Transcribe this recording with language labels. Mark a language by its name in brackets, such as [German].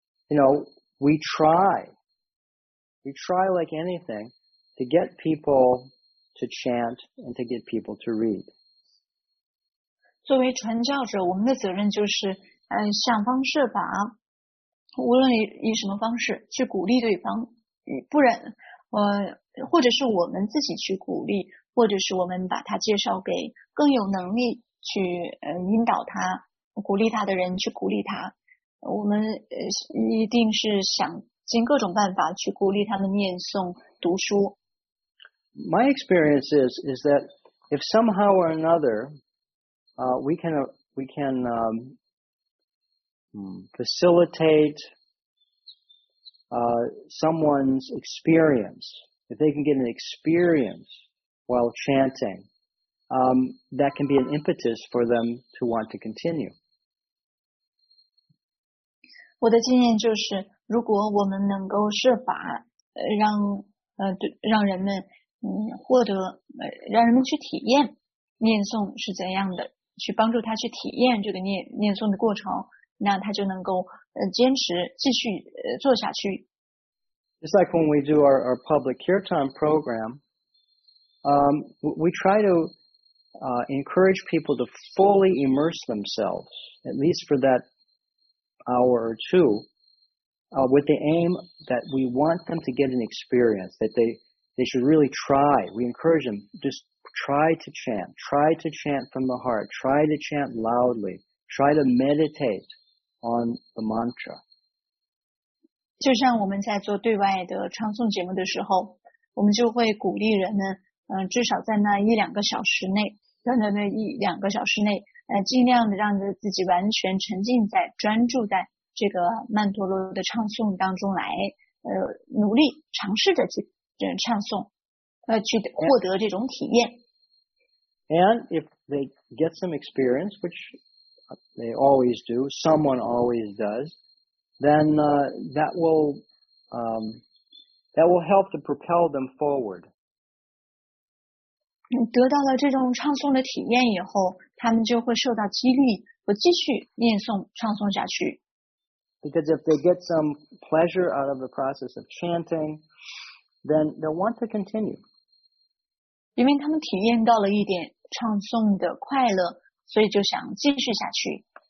[English] You know, we try like anything to get people to chant and to get people to read. [Chinese] 作为传教者，我们的责任就是，想方设法，无论以什么方式去鼓励对方，不然，或者是我们自己去鼓励，或者是我们把他介绍给更有能力去引导他、鼓励他的人去鼓励他。我们一定是想尽各种办法去鼓励他们念诵读书。 [English] My experience is that if somehow or another. We can facilitate someone's experience. If they can get an experience while chanting, that can be an impetus for them to want to continue. [Chinese] 我的经验就是，如果我们能够设法让人们去体验念诵是怎样的。去帮助他去体验这个念诵的过程，那他就能够坚持继续做下去。 [English] It's like when we do our public kirtan program, we try to encourage people to fully immerse themselves, at least for that hour or two, with the aim that we want them to get an experience, that they should really try. We encourage them justTry to chant from the heart. Try to chant loudly. Try to meditate on the mantra. [Chinese] 就像我们在做对外的唱诵节目的时候，我们就会鼓励人们，至少在那一两个小时内，尽量的让自己完全沉浸在、专注在这个曼陀罗的唱诵当中来，努力尝试着去唱诵。去获得这种体验。 [English] And if they get some experience, which they always do, someone always does, then that will help to propel them forward. [Chinese] 得到了这种唱诵的体验以后，他们就会受到激励，会继续念诵、唱诵下去。 [English] Because if they get some pleasure out of the process of chanting, then they'll want to continue. [Chinese] 因为他们体验到了一点唱诵的快乐，所以就想继续下去。